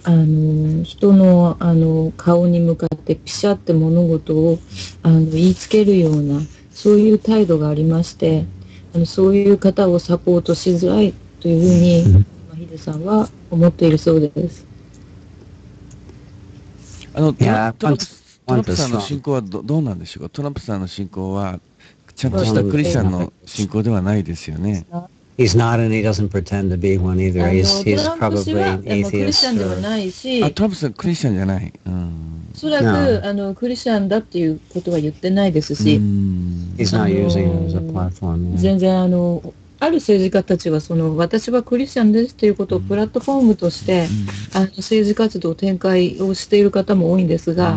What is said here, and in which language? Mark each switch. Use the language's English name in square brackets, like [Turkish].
[Japanese] あの人のあの顔に向かってピシャって物事をあの言いつけるようなそういう態度がありまして、あのそういう方をサポートしづらいというふうにヒデさんは思っているそうです。あの、yeah. トランプさんの信仰は どうなんでしょうか。トランプさんの信仰はちゃんとしたクリスチャンの信仰ではないですよね。 [English] He's not and he doesn't pretend to be one either. He's probably an atheist. [Japanese] トランプ氏はクリスチャンではないし、トランプさんクリスチャンじゃない。おそらく、 [English] no. [Japanese] あのクリスチャンだっていうことは言ってないですし、 [English] He's not using it as a platform. [Japanese] 全然あのある政治家たちはその私はクリスチャンですということをプラットフォームとして、うん、あの政治活動を展開をしている方も多いんですが。